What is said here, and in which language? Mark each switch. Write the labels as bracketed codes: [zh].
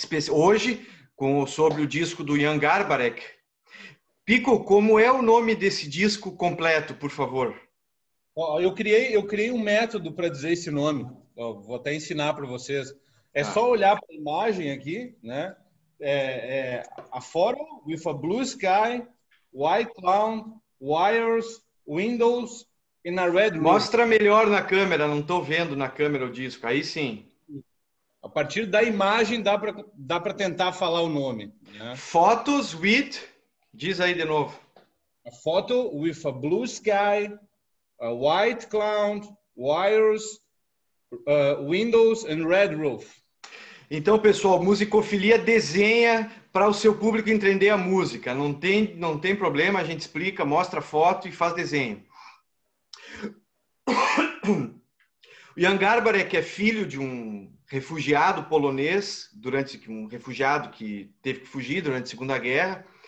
[pt] Hoje, sobre o disco do Jan Garbarek. Pico, como é o nome desse disco completo, por favor? Eu criei um método para dizer esse nome. Vou até ensinar para vocês. É só olhar para a imagem aqui, né? [en] A forma with a blue sky, white clown, wires, windows in a red room. [pt] Mostra melhor na câmera, não estou vendo na câmera o disco. Aí sim. A partir da imagem dá para tentar falar o nome. Né? Photos with, diz aí de novo. [en] A photo with a blue sky, a white clown, wires, windows and red roof. [pt] Então, pessoal, musicofilia desenha para o seu público entender a música. Não tem problema, a gente explica, mostra foto e faz desenho. O Jan Garbarek é filho de um refugiado polonês, que teve que fugir durante a Segunda Guerra.